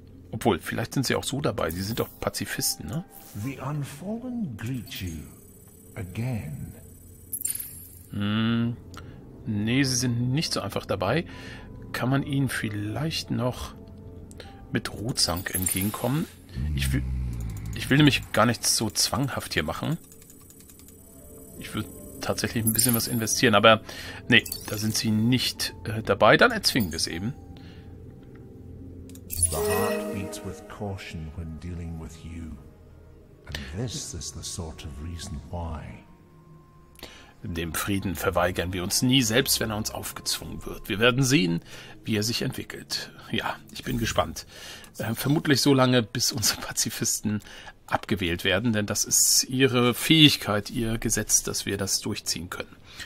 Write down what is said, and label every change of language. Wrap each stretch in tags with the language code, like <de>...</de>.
<de>Obwohl, vielleicht sind sie auch so dabei. Sie sind doch Pazifisten, ne?</de> <en>The unfallen greet you again.</en> <de>Nee, sie sind nicht so einfach dabei. Kann man ihnen vielleicht noch mit Rotsang entgegenkommen? Ich will nämlich gar nichts so zwanghaft hier machen. Ich würde tatsächlich ein bisschen was investieren, aber nee, da sind sie nicht dabei. Dann erzwingen wir es eben.</de> <en>The heart beats with caution when dealing with you. And this is the sort of reason why.</en> <de>Dem Frieden verweigern wir uns nie, selbst wenn er uns aufgezwungen wird. Wir werden sehen, wie er sich entwickelt. Ja, ich bin gespannt. Vermutlich so lange, bis unsere Pazifisten abgewählt werden, denn das ist ihre Fähigkeit, ihr Gesetz, dass wir das durchziehen können.</de>